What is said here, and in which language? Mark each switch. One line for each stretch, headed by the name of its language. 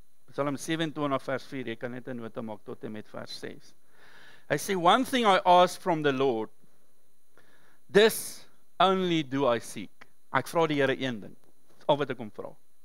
Afrikaans: Psalm 27 vers 4, jy kan net 'n nota maak tot en met vers 6. Hy sê,
English: one thing I ask from the Lord, this only do I seek.
Afrikaans: Ek vraag die Heere een ding, al wat ek om vraag.